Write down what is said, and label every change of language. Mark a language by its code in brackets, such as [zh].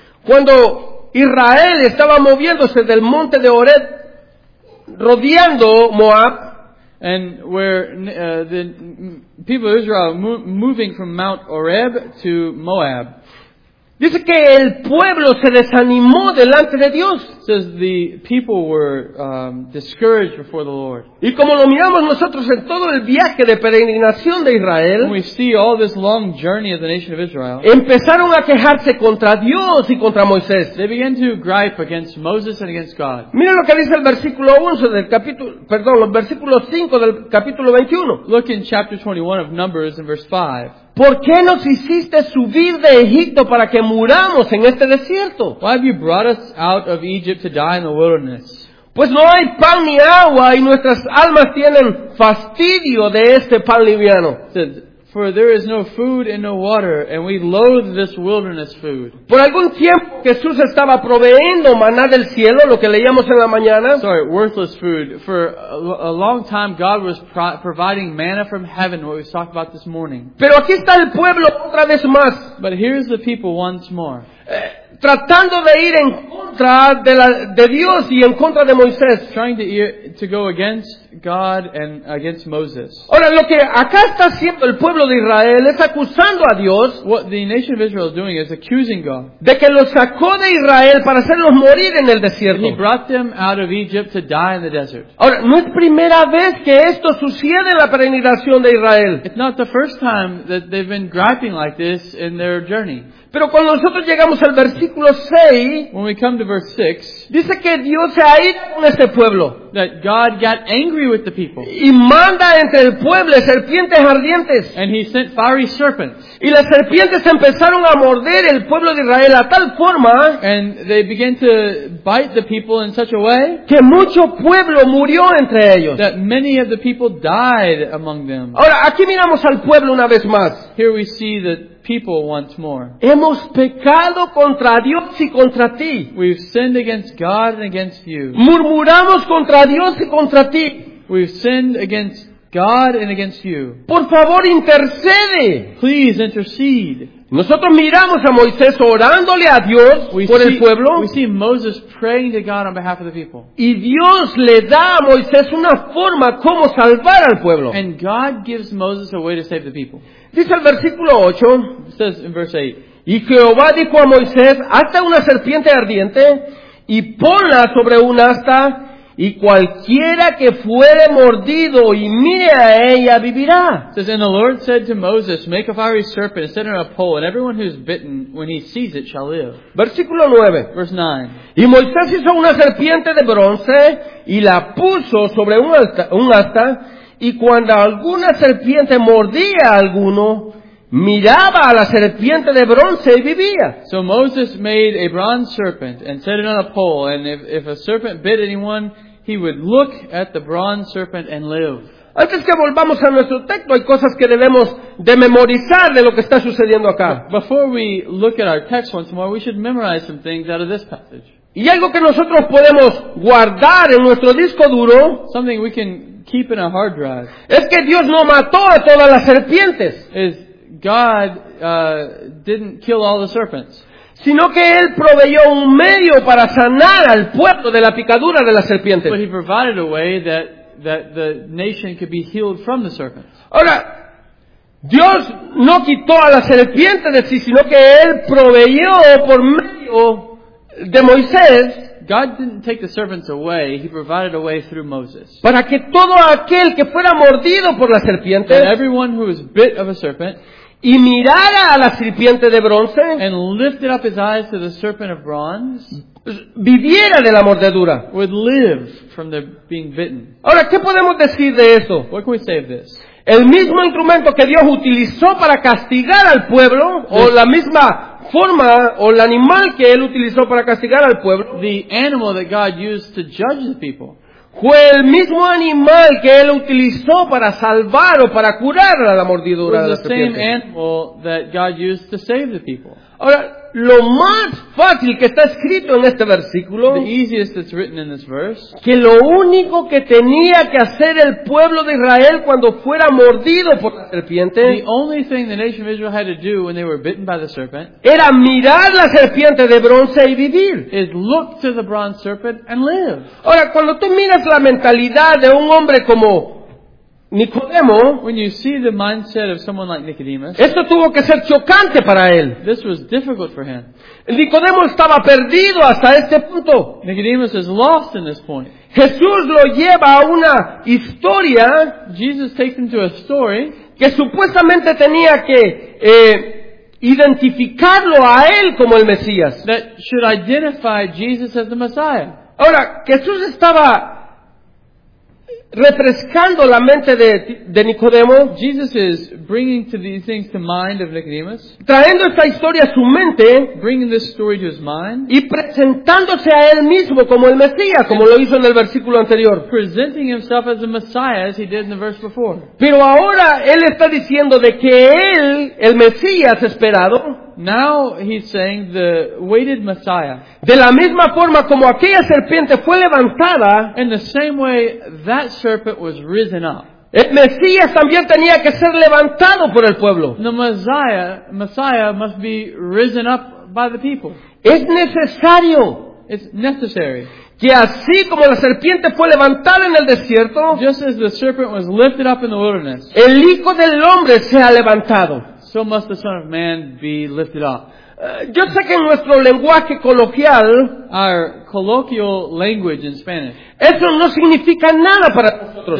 [es] cuando Israel estaba moviéndose del monte de Horeb rodeando Moab, [en] and where the people of Israel moving from Mount Horeb to Moab. [es] Dice que el pueblo se desanimó delante de Dios. [en] Says the people were discouraged before the Lord. [es] Y como lo miramos nosotros en todo el viaje de peregrinación de Israel, [en] we see all this long journey of the nation of Israel, [es] empezaron a quejarse contra Dios y contra Moisés. [en] They began to gripe against Moses and against God. [es] Miren lo que dice el versículo 11 del capítulo, perdón, los versículos 5 del capítulo 21. [en] Look in chapter 21 of Numbers in verse 5. [es] ¿Por qué nos hiciste subir de Egipto para que muramos en este desierto? [en] Why have you brought us out of Egypt to die in the wilderness? [es] Pues no hay pan ni agua y nuestras almas tienen fastidio de este pan liviano. [en] For there is no food and no water, and we loathe this wilderness food. [es] Por algún tiempo Jesús estaba proveyendo maná del cielo, lo que leíamos en la mañana. [en] Sorry, worthless food. For a long time God was providing manna from heaven, what we talked about this morning. [es] Pero aquí está el pueblo otra vez más. [en] But here's the people once more. [es] Tratando de ir en contra de Dios y en contra de Moisés. [en] Trying to go against God and against Moses. [es] Ahora, lo que acá está haciendo el pueblo de Israel es acusando a Dios. [en] What the nation of Israel is doing is accusing God. [es] De que los sacó de Israel para hacerlos morir en el desierto. [en] He brought them out of Egypt to die in the desert. [es] Ahora, no es primera vez que esto sucede en la peregrinación de Israel. [en] It's not the first time that they've been griping like this in their journey. [es] Pero cuando nosotros llegamos al versículo 6, [en] when we come to verse 6, [es] dice que Dios se ha ido con este pueblo. [en] That God got angry with the people. [es] Y manda entre el pueblo serpientes ardientes. [en] And he sent fiery serpents. [es] Y las serpientes empezaron a morder el pueblo de Israel a tal forma, [en] and they began to bite the people in such a way, [es] que mucho pueblo murió entre ellos. [en] That many of the people died among them. [es] Ahora, aquí miramos al pueblo una vez más. [en] Here we see the people once more. [es] Hemos pecado contra Dios y contra ti. [en] We've sinned against God and against you. [es] Murmuramos contra Dios y contra ti. [en] We've sinned against God and against you. [es] Por favor, intercede. [en] Please intercede. [es] Nosotros miramos a Moisés orándole a Dios por el pueblo. [en] We see Moses praying to God on behalf of the people. [es] Y Dios le da a Moisés una forma como salvar al pueblo. [en] And God gives Moses a way to save the people. [es] Dice el versículo 8. [en] It says in verse 8. [es] Y Jehová dijo a Moisés, hazte una serpiente ardiente y ponla sobre un asta, y cualquiera que fuere mordido y mire a ella vivirá. [en] It says, and the Lord said to Moses, make a fiery serpent and set it on a pole, and everyone who is bitten, when he sees it, shall live. [es] Versículo 9. [en] Verse 9. [es] Y Moisés hizo una serpiente de bronce y la puso sobre un asta, y cuando alguna serpiente mordía a alguno, miraba a la serpiente de bronce y vivía. [en] So Moses made a bronze serpent and set it on a pole, and if a serpent bit anyone, he would look at the bronze serpent and live. [es] Antes que volvamos a nuestro texto, hay cosas que debemos de memorizar de lo que está sucediendo acá. [en] Before we look at our text once more, we should memorize some things out of this passage. [es] Y algo que nosotros podemos guardar en nuestro disco duro, [en] something we can keep in a hard drive, [es] es que Dios no mató a todas las serpientes. [en] God didn't kill all the serpents, [es] sino que él proveyó un medio para sanar al pueblo de la picadura de la serpiente. [en] But he provided a way that the nation could be healed from the serpents. [es] Ahora, Dios no quitó a la serpiente de sí, sino que él proveyó por medio de Moisés. [en] God didn't take the serpents away. He provided a way through Moses. [es] Para que todo aquel que fuera mordido por la serpiente, [en] and everyone who was bit of a serpent, [es] y mirara a la serpiente de bronce, [en] and lifted up his eyes to the serpent of bronze, [es] viviera de la mordedura, [en] would live from the being bitten. [es] Ahora, ¿qué podemos decir de eso? [en] What can we say of this? [es] El mismo instrumento que Dios utilizó para castigar al pueblo, o la misma forma o el animal que él utilizó para castigar al pueblo, [en] the animal that God used to judge the people, [es] fue el mismo animal que él utilizó para salvar o para curar a la mordidura de la serpiente. [en] Was the same animal that God used to save the people. [es] Ahora, lo más fácil que está escrito en este versículo, [en] the easiest that's written in this verse, [es] que lo único que tenía que hacer el pueblo de Israel cuando fuera mordido por la serpiente, [en] the only thing the nation of Israel had to do when they were bitten by the serpent, [es] era mirar la serpiente de bronce y vivir, [en] is look to the bronze serpent and live. [es] Ahora, cuando tú miras la mentalidad de un hombre como Nicodemo, [en] when you see the mindset of someone like Nicodemus, [es] esto tuvo que ser chocante para él. [en] This was difficult for him. [es] Nicodemo estaba perdido hasta este punto. [en] Nicodemus is lost in this point. [es] Jesús lo lleva a una historia, [en] Jesus takes him to a story, [es] que supuestamente tenía que identificarlo a él como el Mesías. [en] That should identify Jesus as the Messiah. [es] Ahora, Jesús estaba refrescando la mente de Nicodemo, [en] Jesus is bringing to these things to mind of Nicodemus, [es] trayendo esta historia a su mente, [en] bringing this story to his mind, [es] y presentándose a él mismo como el Mesías, como lo hizo en el versículo anterior, [en] presenting himself as the Messiah as he did in the verse before. [es] Pero ahora él está diciendo de que él, el Mesías esperado, [en] now he's saying the waited Messiah. [es] De la misma forma como aquella serpiente fue levantada, [en] in the same way that serpent was risen up. [es] El Mesías también tenía que ser levantado por el pueblo. [en] The Messiah must be risen up by the people. [es] Es necesario. [en] It's necessary. [es] Que así como la serpiente fue levantada en el desierto, [en] just as the serpent was lifted up in the wilderness, [es] el Hijo del Hombre sea levantado. [en] So must the Son of Man be lifted up. [es] Yo sé que en nuestro lenguaje coloquial, [en] our colloquial language in Spanish, [es] eso no significa nada para nosotros.